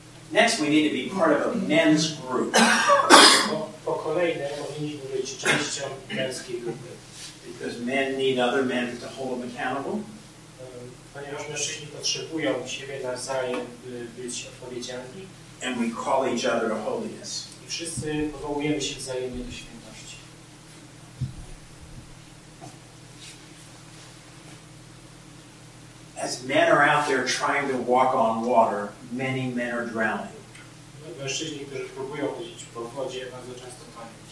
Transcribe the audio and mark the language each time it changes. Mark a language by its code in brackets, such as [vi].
[en] Next, we need to be part of a men's group. [pl] po kolejne powinniśmy być częścią męskiej grupy. [en] Because men need other men to hold them accountable. [pl] Ponieważ mężczyźni potrzebują siebie nawzajem, by być odpowiedzialni. [en] And we call each other to holiness. [pl] I wszyscy powołujemy się wzajemnie do świętości. [en] As men are out there trying to walk on water, many men are drowning. [pl] Mężczyźni, którzy próbują chodzić po wodzie, bardzo często tonie.